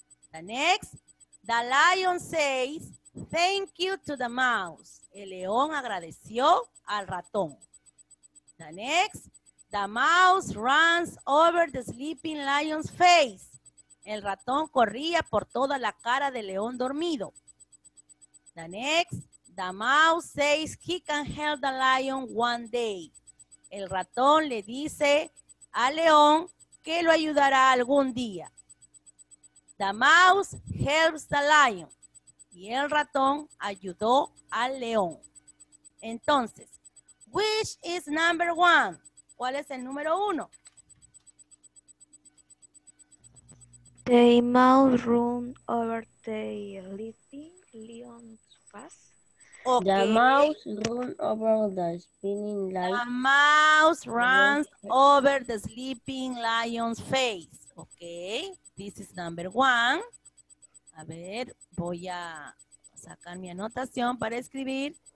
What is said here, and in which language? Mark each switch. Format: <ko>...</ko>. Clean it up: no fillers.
<en>The next, the lion says, thank you to the mouse.</en> <es>El león agradeció al ratón.</es> <en>The next, the mouse runs over the sleeping lion's face.</en> <es>El ratón corría por toda la cara del león dormido.</es> <en>The next, the mouse says he can help the lion one day.</en> <es>El ratón le dice al león que lo ayudará algún día.</es> <en>The mouse helps the lion.</en> <es>Y el ratón ayudó al león. Entonces,</es> <en>which is number one?</en> <es>¿Cuál es el número uno?</es> <en>The mouse run over the sleeping lion's face. Okay. The mouse run over the sleeping lion. The mouse runs over the sleeping lion's face. Okay, this is number one.</en> <es>A ver, voy a sacar mi anotación para escribir.</es>